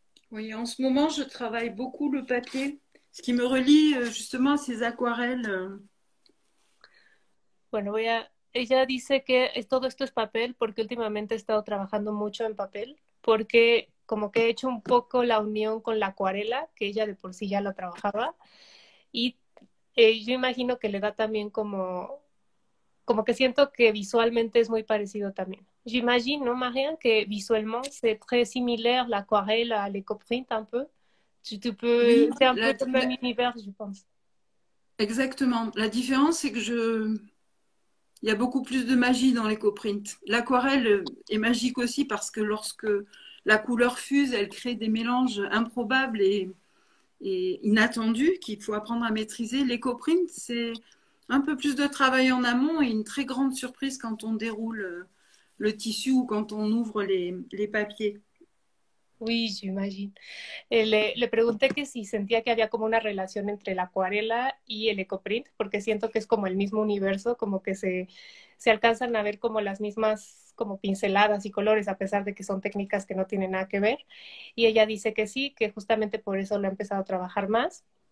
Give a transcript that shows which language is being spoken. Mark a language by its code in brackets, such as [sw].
[fr] Oui, en ce moment, je travaille beaucoup le papier, ce qui me relie justement à ces aquarelles. [es] Bueno, ella dice que todo esto es papel porque últimamente he estado trabajando mucho en papel, porque como que he hecho un poco la unión con la acuarela, que ella de por sí ya la trabajaba, y yo imagino que le da también como que siento que visualmente es muy parecido también. [fr] J'imagine, [es] ¿no, Marianne, que visualmente es [fr] très similaire [es] la acuarela al ecoprint [fr] un peu? Oui, C'est un peu le même univers, je pense. exactement. La différence, c'est que il y a beaucoup plus de magie dans l'écoprint. L'aquarelle est magique aussi parce que lorsque la couleur fuse, elle crée des mélanges improbables et inattendus qu'il faut apprendre à maîtriser. L'écoprint, c'est un peu plus de travail en amont et une très grande surprise quand on déroule le tissu ou quand on ouvre les papiers. Oui, j'imagine. [es] Le pregunté que si sentía que había como una relación entre la acuarela y el ecoprint, porque siento que es como el mismo universo, como que se alcanzan a ver como las mismas como pinceladas y colores, a pesar de que son técnicas que no tienen nada que ver. Y ella dice que sí, que justamente por eso lo ha empezado a trabajar más.